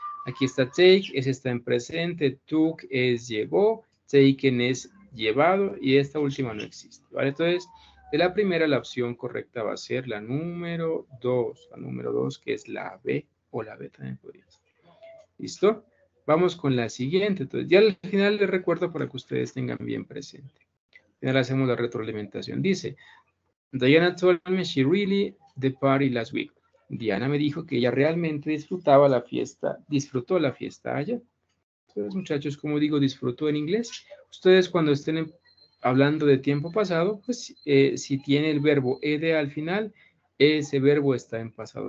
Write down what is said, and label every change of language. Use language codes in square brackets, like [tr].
[es] Aquí está take, ese está en presente, took es llevó, taken es llevado y esta última no existe, ¿vale? Entonces, de la primera la opción correcta va a ser la número 2, que es la B o la B también podría ser. ¿Listo? Vamos con la siguiente. Entonces, ya al final les recuerdo para que ustedes tengan bien presente. Ya le hacemos la retroalimentación. [en] Dice, Diana told me she really the party last week. [es] Diana me dijo que ella realmente disfrutaba la fiesta, disfrutó la fiesta allá. Entonces, muchachos, como digo, disfrutó en inglés. Ustedes cuando estén hablando de tiempo pasado, pues si tiene el verbo ed al final, ese verbo está en pasado.